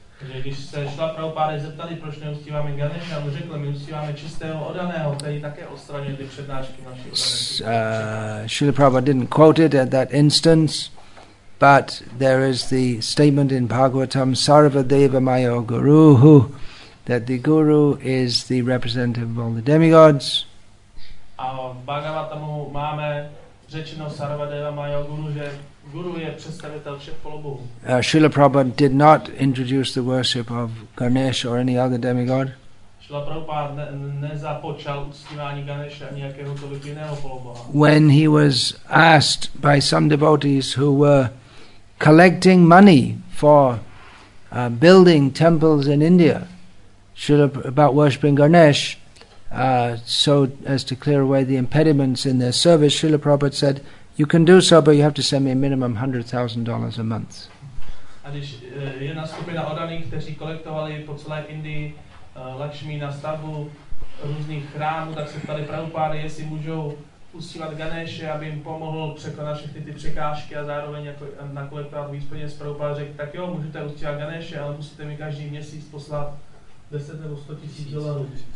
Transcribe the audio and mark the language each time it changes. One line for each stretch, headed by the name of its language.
English: Srila Prabhupada didn't quote it at that instance, but there is the statement in Bhagavatam, Sarva Deva Mayo Guruhu, that the Guru is the representative of all the demigods.
Czech: A v Bhagavatamu máme řečeno Sarva Deva Mayo Guru, že Guru je představitel všech polobohů.
English: Srila Prabhupada did not introduce the worship of Ganesh or any other demigod.
Czech: Srila Prabhupada nezapočal uctívání Ganesha ani jakéhokoliv jiného poloboha.
English: When he was asked by some devotees who were collecting money for building temples in India, about worshipping Ganesh, so as to clear away the impediments in their service, Srila Prabhupada said, you can do so, but you have to send me a minimum $100,000 a month.
Czech: A když jedna skupina odaných, kteří kolektovali po celé Indii Lakshmi na stavbu různých chrámů, tak se ptali Prabhupády, jestli můžou usilovat Ganeše, aby jim pomohl překonat všechny ty překážky a zároveň jako nakolektovat víc peněz. Prabhupáda řekl, tak jo, můžete usilovat Ganeše, ale musíte mi každý měsíc poslat 10 nebo 100 tisíc dolarů.